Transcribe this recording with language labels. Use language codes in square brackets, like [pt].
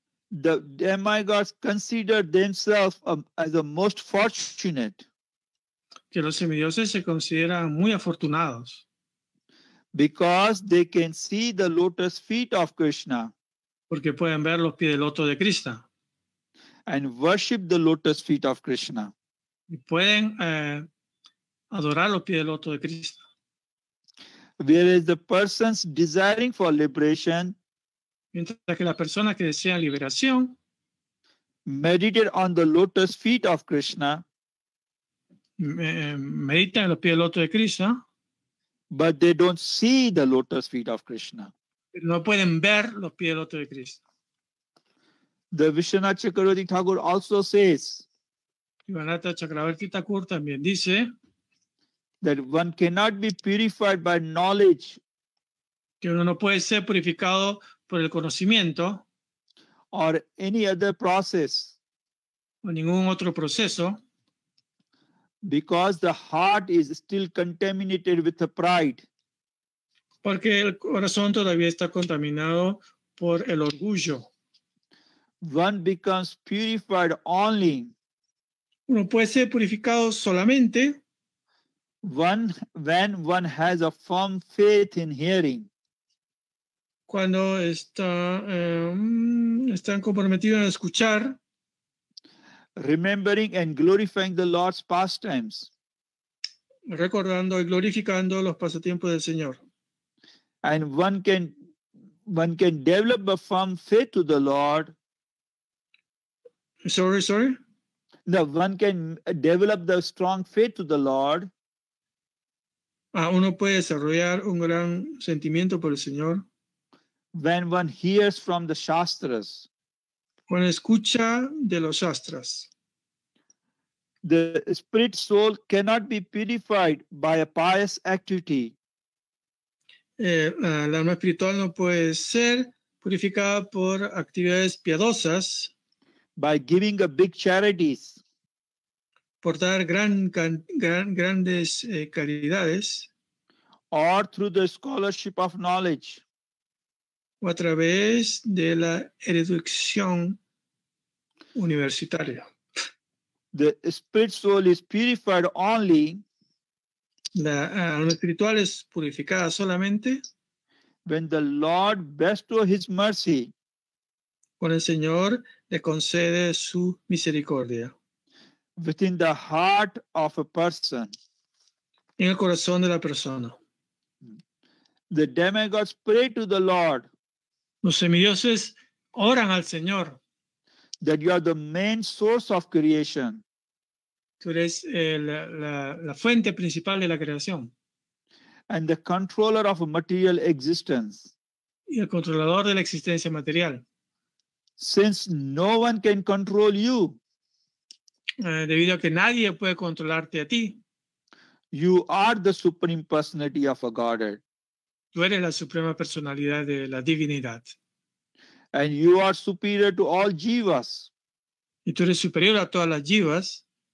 [en] The demigods consider themselves as the most fortunate. [es] Que los semidioses se consideran muy afortunados. [en] Because they can see the lotus feet of Krishna. [es] Porque pueden ver los pies del loto de Krishna. [en] And worship the lotus feet of Krishna. [es] Y pueden adorar los pies del loto de Krishna. [en] Whereas the persons desiring for liberation. [es] Mientras que las personas que desean liberación. [en] Meditate on the lotus feet of Krishna. [es] Meditan en los pies del loto de Krishna. [en] But they don't see the lotus feet of Krishna. [es] No pueden ver los pies del loto de Krishna. [en] The Vishwanatha Chakravarti Thakur also says. [es] Vishwanatha Chakravarti Thakur también dice. [en] That one cannot be purified by knowledge. [es] Que uno no puede ser purificado por el conocimiento. [en] Or any other process. [es] O ningún otro proceso. [en] Because the heart is still contaminated with the pride. [es] Porque el corazón todavía está contaminado por el orgullo. [en] One becomes purified only. [es] Uno puede ser purificado solamente. [en] When one has a firm faith in hearing. [es] Cuando están comprometidos en escuchar. [en] Remembering and glorifying the Lord's pastimes. [es] Recordando y glorificando los pasatiempos del Señor. [en] And one can one can develop a firm faith to the Lord. Sorry? No, one can develop the strong faith to the Lord. [es] Uno puede desarrollar un gran sentimiento por el Señor. [en] When one hears from the Shastras. [es] Cuando escucha de los Shastras. [en] The spirit soul cannot be purified by a pious activity. [es] La alma espiritual no puede ser purificada por actividades piadosas. [en] By giving a big charities. [es] Por dar grandes caridades. [en] Or through the scholarship of knowledge. [es] O a través de la erudición universitaria. [en] The spirit soul is purified only. [es] La alma espiritual es purificada solamente. [en] When the Lord bestows his mercy. [es] Cuando el Señor le concede su misericordia. [en] Within the heart of a person. [es] En el corazón de la persona. [en] The demigods pray to the Lord. [es] Los semidioses oran al Señor. [en] That you are the main source of creation. [es] Tú eres la fuente principal de la creación. [en] And the controller of a material existence. [es] Y el controlador de la existencia material. [en] Since no one can control you. [es] Debido a que nadie puede controlarte a ti. [en] You are the supreme personality of a Godhead. [es] Tú eres la suprema personalidad de la divinidad. [en] And you are superior to all jivas. [es] Y tú eres superior a todas las jivas.